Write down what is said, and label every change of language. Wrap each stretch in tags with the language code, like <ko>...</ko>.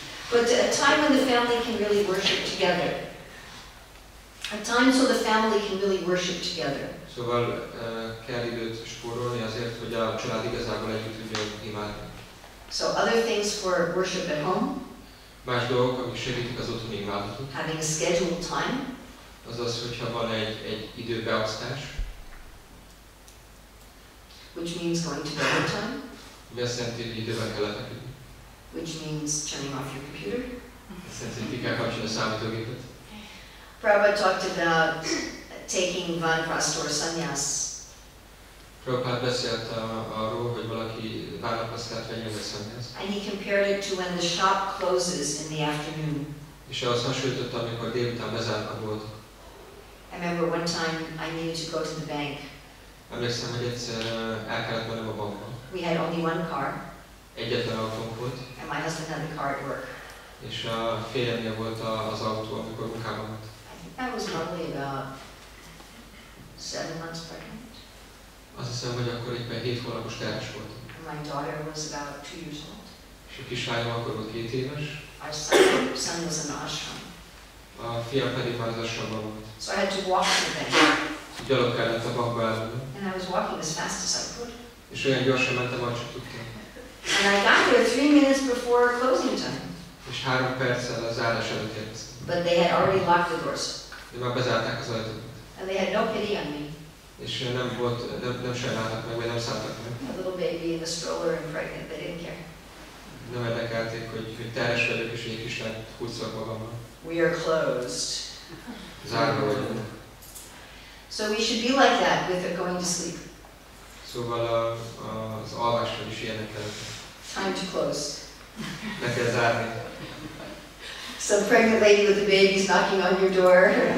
<en>But a time when the family can really worship together. A time so the family can really worship together.</en> <hu>Szóval kell időt spórolni azért, hogy a család igazából együtt tudjon imádni.</hu> <en>So other things for worship at home.</en> <hu>Más dolgok, amik segítik az otthoni imádatot.</hu> <en>Having a scheduled time.</en> <hu>Azaz, hogyha van egy időbeosztás.</hu> <en>Which means going to bed time.</en> <hu>Mi azt jelenti, hogy időben kell lefeküdni.</hu> <en>Which means turning off your computer.</en> <hu>Azt jelenti, hogy ki kell kapcsolni a számítógépet.</hu> <en>Prabhupada talked about taking vanprastor sannyas.</en> <hu>Prabhupada beszélt arról, hogy valaki vanprasztát vegyen vagy sannyas.</hu> <en>And he compared it to when the shop closes in the afternoon.</en> <hu>És ahhoz hasonlította, amikor délután bezárt a bolt.</hu> <en>I remember one time I needed to go to the bank.</en> <hu>Emlékszem, hogy egyszer el kellett mennem a bankba.</hu> <en>We had only one car.</en> <hu>Egyetlen autónk volt.</hu> <en>And my husband had the car at work.</en> <hu>És a férjemnél volt az autó, amikor munkában volt.</hu> <en>That was probably about 7 months pregnant.</en> <hu>Azt hiszem, hogy akkor éppen 7 hónapos terhes volt.</hu> <en>My daughter was about 2 years old.</en> <hu>És a kisfájom akkor volt 7 éves.</hu> <en>Our son was an ashram.</en> <hu>A fiam pedig már az ashramban volt.</hu> <en>So I had to walk to the bank.</en> <hu>Gyalog kellett a bankba elmenni.</hu> <en>And I was walking as fast as I could.</en> <hu>És olyan gyorsan mentem, ahogy csak tudtam.</hu> <en>And I got there 3 minutes before closing time.</en> <hu>És 3 perccel a zárás előtt érkeztem.</hu> <en>But they had already locked the doors.</en> <hu>De már bezárták az ajtót.</hu> <en>And they had no pity on me.</en> <hu>És nem volt, nem sajnáltak meg, vagy nem szálltak meg.</hu> <en>A little baby in a stroller and pregnant, they didn't care.</en> <hu>Nem érdekelték, hogy terhes vagyok, és egy kislány húzza magammal.</hu> <en>We are closed.</en> <hu>Zárva vagyunk.</hu> <en>So we should be like that with the going to sleep.</en> <hu>Szóval az alvásra is ilyenek kellett.</hu> <en>Time to close.</en> <hu>Le kell zárni.</hu> <en>Some pregnant lady with a baby is knocking on your door.</en>